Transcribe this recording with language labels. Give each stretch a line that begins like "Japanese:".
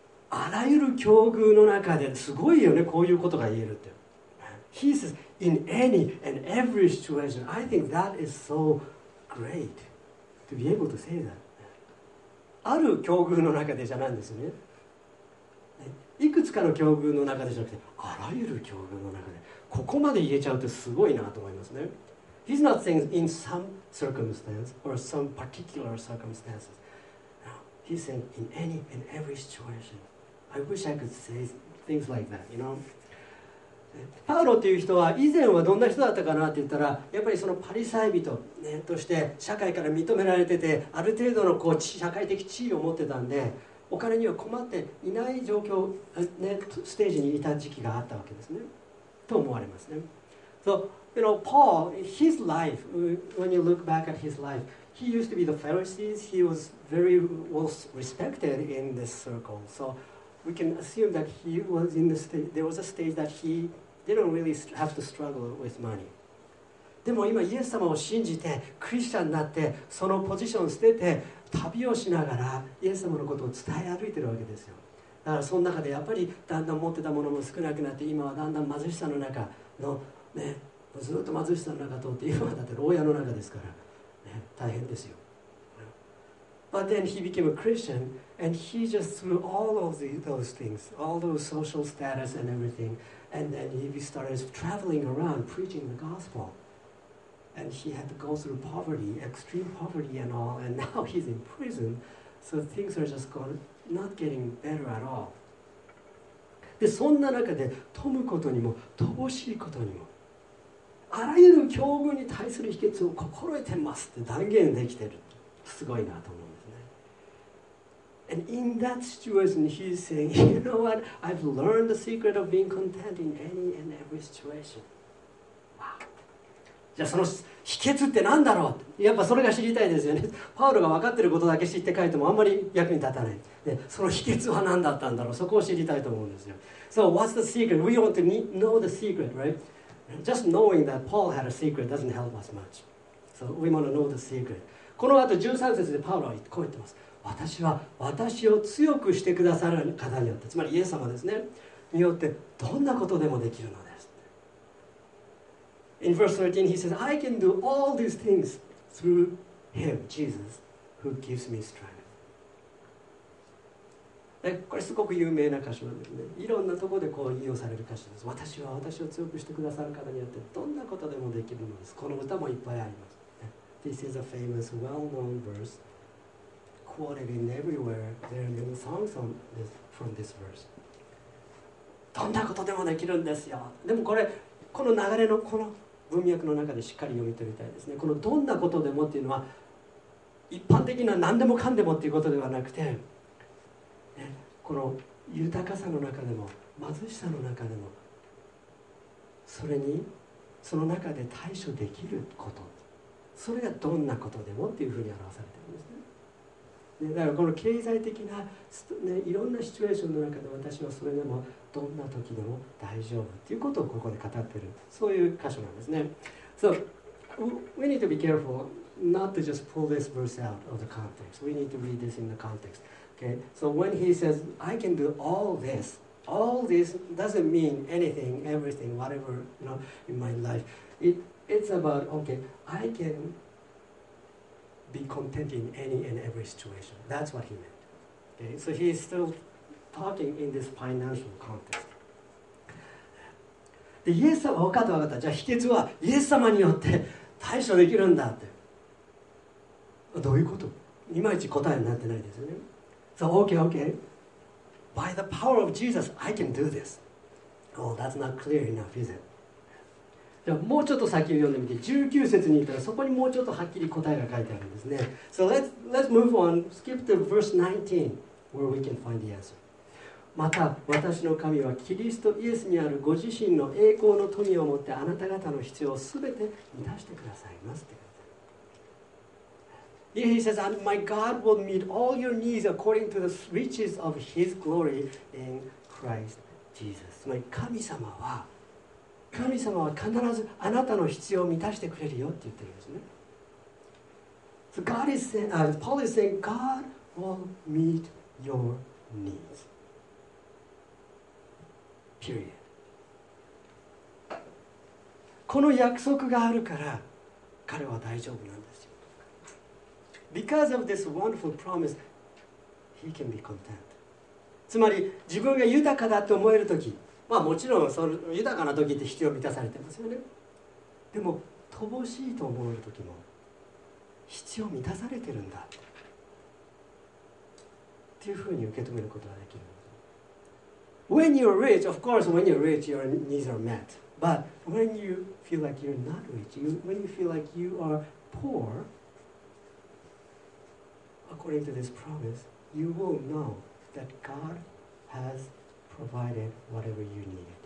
Japanese: あらゆる境遇の中で、すごいよね、こういうことが言えるって。
English: He says, in any and every situation. I think that is so great to be able to say that.
Japanese: ある境遇の中でじゃないんですよね。いくつかの境遇の中でじゃなくて、あらゆる境遇の中でここまで言えちゃうってすごいなと思いますね。
English: He's not saying in some circumstance or some particular circumstances. No, he's saying in any and every situation. I wish I could say things like that, you know?
Japanese: パウロっていう人は以前はどんな人だったかなって言ったら、やっぱりそのパリサイ人、ね、として社会から認められてて、ある程度のこう社会的地位を持ってたんで、お金には困っていない状況、ね、ステージにいた時期があったわけですね、と思われますね。
English: So, you know, Paul, his life, when you look back at his life, He used to be the Pharisees. He was very well respected in this circle. So we can assume that he was in the state, there was a stage that he didn't really have to struggle with money.
Japanese: でも今イエス様を信じてクリスチャンになってそのポジションを捨てて旅をしながらイエス様のことを伝え歩いてるわけですよ。だからその中でやっぱりだんだん持ってたものも少なくなって今はだんだん貧しさの中のね、ずっと貧しさの中通って今はだって牢屋の中ですから、ね、大変ですよ。
English: But then he became a Christian and he just threw all of those things, all those social status and everything, and then he started traveling around preaching the gospel. And he had to go through poverty, extreme poverty and all, and now he's in prison. So things are just going, not getting better at all.
Japanese: で、そんな中で、富むことにも、乏しいことにも、あらゆる境遇に対する秘訣を心得てますって断言できてる。すごいなと思うんですね。
English: And in that situation, he's saying, you know what? I've learned the secret of being content in any and every situation.
Japanese: じゃあその秘訣って何だろう、やっぱそれが知りたいですよね。パウロが分かってることだけ知って書いてもあんまり役に立たない。でその秘訣は何だったんだろう、そこを知りたいと思うんですよ。
English: So what's the secret? We want to know the secret, right? Just knowing that Paul had a secret doesn't help us much. So we want to know the secret.
Japanese: この後13節でパウロはこう言ってます。私は私を強くしてくださる方によって、つまりイエス様ですね、によってどんなことでもできるので。
English: In verse 13, he says, I can do all these things through him, Jesus, who gives me strength.
Japanese: これすごく有名な箇所なんですね。いろんなところでこう引用される箇所です。私は私を強くしてくださる方によってどんなことでもできるのです。この歌もいっぱいあります。
English: This is a famous, well-known verse, quoted in everywhere. There are many songs from this verse.
Japanese: どんなことでもできるんですよ。でもこれ、この流れのこの文脈の中でしっかり読み取りたいですね。このどんなことでもっていうのは一般的な何でもかんでもっていうことではなくて、ね、この豊かさの中でも貧しさの中でもそれにその中で対処できること、それがどんなことでもっていうふうに表されてるんですね。ね、だからこの経済的な、ね、いろんなシチュエーションの中で私はそれでもどんな時でも大丈夫ということをここで語っている、そういう箇所なんですね。
English: So we need to be careful not to just pull this verse out of the context. We need to read this in the context. Okay. So when he says I can do all this doesn't mean anything, everything, whatever, you know, in my life. It's about okay, I can be content in any and every situation. That's what he meant. Okay. So he's stillTalking in this financial context.
Japanese: で、イエス様は分かった分かった。じゃあ秘訣はイエス様によって対処できるんだって。どういうこと？いまいち答えになってないですよね。
English: So, okay, okay. By the power of Jesus, I can do this. Oh, that's not clear enough, is it?
Japanese: じゃあもうちょっと先を読んでみて、19節に行ったらそこにもうちょっとはっきり答えが書いてあるんですね。
English: So let's move on. Skip to verse 19, where we can find the answer.
Japanese: また私の神はキリストイエスにあるご自身の栄光の富をもってあなた方の必要をすべて満たしてくださいますって。
English: He says, and my God will meet all your needs according to the riches of His glory in Christ Jesus.
Japanese: つまり神様は必ずあなたの必要を満たしてくれるよって言ってるんですね。
English: So God is saying, Paul is saying, God will meet your needs. Period.
Japanese: この約束があるから彼は大丈夫なんですよ。
English: Because of this wonderful promise, he can be content.
Japanese: つまり自分が豊かだと思えるとき、まあもちろんその豊かなときって必要満たされてますよね。でも乏しいと思えるときも必要満たされてるんだっていうふうに受け止めることができる。
English: When you're rich, of course, when you're rich, your needs are met. But when you feel like you're not rich, when you feel like you are poor, according to this promise, you will know that God has provided whatever you need.